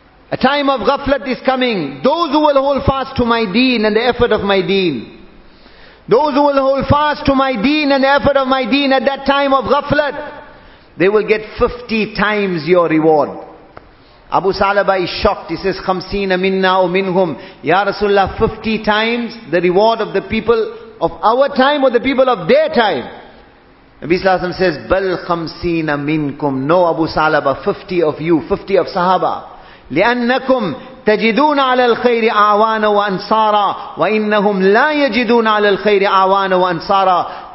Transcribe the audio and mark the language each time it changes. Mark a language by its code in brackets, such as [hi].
[en] A time of ghaflat is coming. Those who will hold fast to my deen and the effort of my deen. Those who will hold fast to my deen and the effort of my deen at that time of ghaflat, they will get 50 times your reward. Abu Salaba is shocked. He says, [ar] خَمْسِينَ مِنَّا وَمِنْهُمْ. [en] Ya Rasulullah, 50 times the reward of the people of our time or the people of their time. Nabi Sallallahu Alaihi Wasallam says, [ar] بَلْ خَمْسِينَ مِنْكُمْ. [en] No, Abu Salaba, 50 of you, 50 of Sahaba. [ar] لِأَنَّكُمْ تَجِدُونَ عَلَى الْخَيْرِ أَعْوَانَ وَأَنصَارًا وَإِنَّهُمْ لَا يَجِدُونَ عَلَى الْخَيْرِ أَعْوَانَ وَأَنصَارًا.